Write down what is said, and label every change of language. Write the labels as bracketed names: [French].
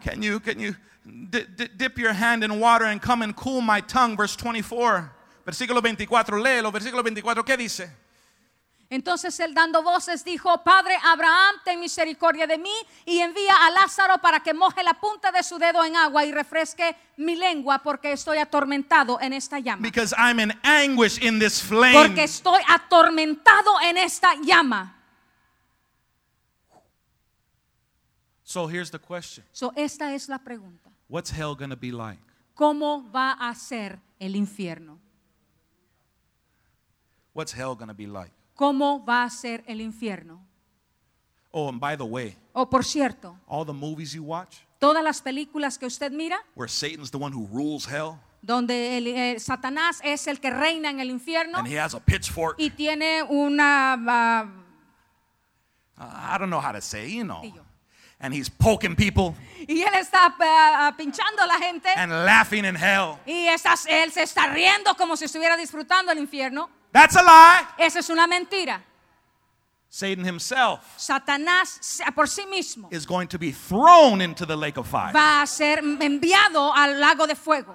[English] can you dip your hand in water and come and cool my tongue?" Verse 24. [Spanish] Versículo 24. Léelo. Versículo 24. ¿Qué dice? Entonces él dando voces dijo, Padre Abraham, ten misericordia de mí y envía a Lázaro para que moje la punta de su dedo en agua y refresque mi lengua porque estoy atormentado en esta llama. [English] Because I'm in anguish in this flame. [Spanish] Porque estoy atormentado en esta llama. [English] So here's the question. [Spanish] So esta es la pregunta. [English] What's hell gonna be like? [Spanish] ¿Cómo va a ser el infierno? [English] What's hell gonna be like? [Spanish] ¿Cómo va a ser el infierno? [English] Oh, and by the way. [Spanish] Oh, por cierto. [English] All the movies you watch. [Spanish] Todas las películas que usted mira. [English] Where Satan's the one who rules hell. [Spanish] donde el, Satanás es el que reina en el infierno. [English] And he has a pitchfork. [Spanish] Y tiene una, [English] I don't know how to say, you know. And he's poking people. [Spanish] Y él está pinchando a la gente. [English] And laughing in hell. [Spanish] Y esas, él se está riendo como si estuviera disfrutando el infierno. [English] That's a lie. [Spanish] Esa es una mentira. [English] Satan himself. [Spanish] Satanás por sí mismo. [English] Is going to be thrown into the lake of fire. [Spanish] Va a ser enviado al lago de fuego.